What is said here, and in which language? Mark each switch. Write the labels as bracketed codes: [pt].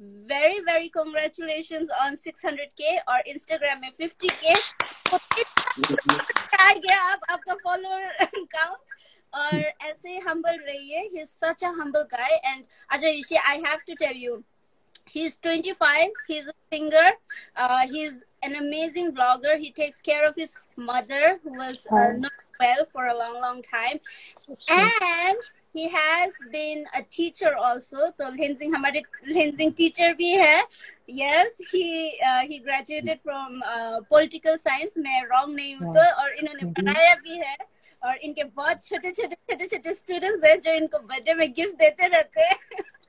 [en] very very congratulations on 600K [hi] और Instagram में 50K, आ गया आप, आपका फॉलोअर काउंट। और ऐसे हम्बल रहिए, [en] He is such a humble guy. And अच्छा Rishi, I have to tell you, He is 25. He is a singer. He is an amazing vlogger. He takes care of his mother, who was not well for a long, long time. And he has been a teacher also. So Lenzing, [hi] हमारे Lenzing teacher भी है. [en] Yes, he graduated from political science. [hi] मैं wrong नहीं हूँ तो, और इन्होंने पढ़ाया भी है. और इनके बहुत छोटे छोटे छोटे छोटे students हैं जो इनको बर्थडे में gift देते रहते हैं.